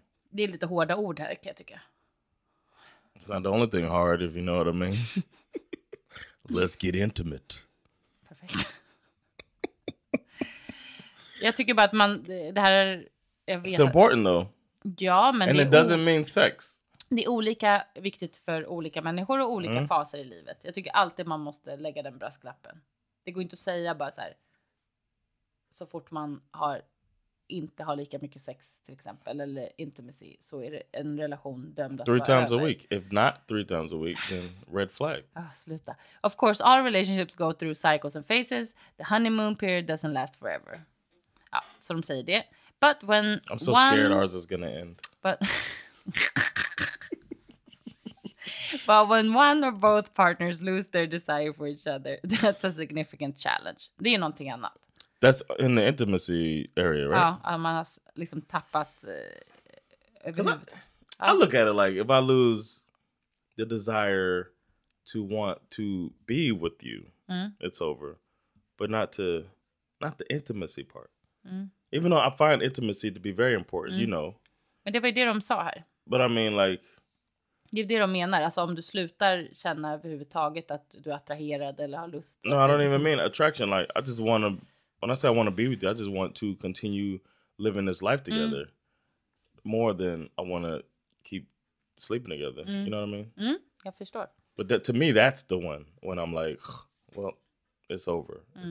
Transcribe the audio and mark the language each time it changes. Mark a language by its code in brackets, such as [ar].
[sv] Det är lite hårda ord här, kan jag tycka. [en] It's not the only thing hard, if you know what I mean. Let's get intimate. [sv] Perfekt. Jag tycker bara att man, det här är... [en] It's important though. [sv] Ja, men [en] and [sv] det [en] it doesn't mean sex. [sv] Det är olika viktigt för olika människor och olika faser i livet. Jag tycker alltid man måste lägga den brasklappen. Det går inte att säga bara så här, så fort man inte har lika mycket sex till exempel, eller intimacy, så är det en relation dömd att [en] vara över. 3 times a week. If not 3 times a week, then red flag. [sv] Ah, sluta. [en] Of course, all relationships go through cycles and phases. The honeymoon period doesn't last forever. [sv] Ja, så de säger det. But when [en] I'm so scared ours is gonna end. But... But when one or both partners lose their desire for each other, that's a significant challenge. [sv] Det är någonting annat. [en] That's in the intimacy area, right? [sv] Ja, man har liksom tappat... [en] I look at it like, if I lose the desire to want to be with you, it's over. But not the intimacy part. Mm. Even though I find intimacy to be very important, you know. [sv] Men det var ju det de sa här. [en] But I mean like... [sv] Det är det de menar. Alltså om du slutar känna överhuvudtaget att du är attraherad eller har lust. [en] No, I don't even mean attraction. Like, I just want to... When I say I want to be with you, I just want to continue living this life together. Mm. More than I want to keep sleeping together. Mm. You know what I mean? [sv] Mm, jag förstår. [en] But that, to me, that's the one when I'm like, well, it's over. Mm.